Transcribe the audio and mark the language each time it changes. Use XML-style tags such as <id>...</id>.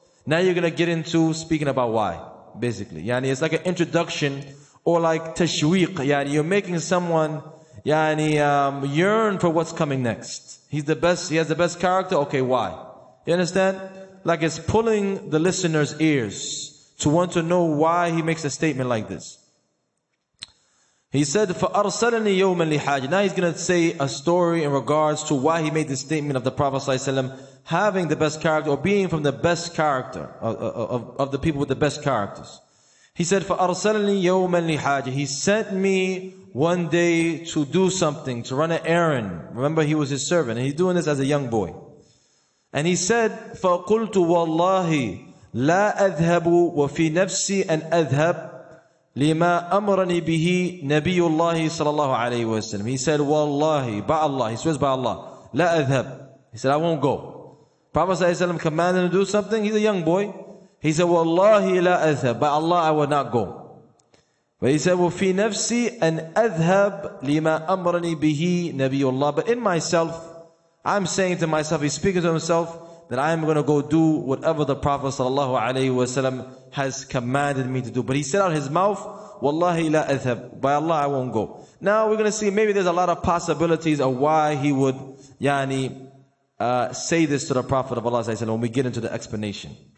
<en>Now you're going to get into speaking about why, basically. Yani, it's like an introduction, or like tashweeq. Yani, you're making someone yearn for what's coming next. He's the best. He has the best character. Okay, why? You understand? Like, it's pulling the listener's ears to want to know why he makes a statement like this. He said,</en> <ar>فَأَرْسَلَنِي يَوْمًا لِحَاجٍ.</ar> <en>Now he's going to say a story in regards to why he made the statement of the Prophet Sallallahu Alaihi Wasallam having the best character, or being from the best character of the people with the best characters. He said,</en> <ar>فَأَرْسَلَنِي يَوْمًا لِحَاجٍ.</ar> <en>He sent me one day to do something, to run an errand. Remember, he was his servant, and he's doing this as a young boy. And he said,</en> <ar>فَقُلْتُ وَاللَّهِ لَا أَذْهَبُ وَفِي نَفْسِي أَنْ أَذْهَبُ لِمَا أَمْرَنِي بِهِ نَبِيُّ اللَّهِ صَلَى اللَّهُ عَلَيْهِ وَسَلَّمَ.</ar> <en>He said,</en> <ar>وَاللَّهِ بَعَ اللَّهِ.</ar> <en>He swears by Allah.</en> <ar>لَا أَذْهَبُ.</ar> <en>He said, I won't go. Prophet ﷺ commanded him to do something. He's a young boy. He said,</en> <ar>وَاللَّهِ لَا أَذْهَبُ.</ar> <en>By Allah, I will not go. But he said,</en> <ar>وَفِي نَفْسِي أَنْ أَذْهَبُ لِمَا أَمْرَنِي بِهِ نَبِيُّ اللَّهِ.</ar> <en>But in myself, I'm saying to myself, he's speaking to himself, that I am going to go do whatever the Prophet sallallahu alayhi wa sallam has commanded me to do. But he said out his mouth,</en> <ar>Wallahi la adhab.</ar> <en>By Allah, I won't go. Now we're going to see, maybe there's a lot of possibilities of why he would say this to the Prophet of Allah sallallahu alayhi wa sallam when we get into the explanation.</en>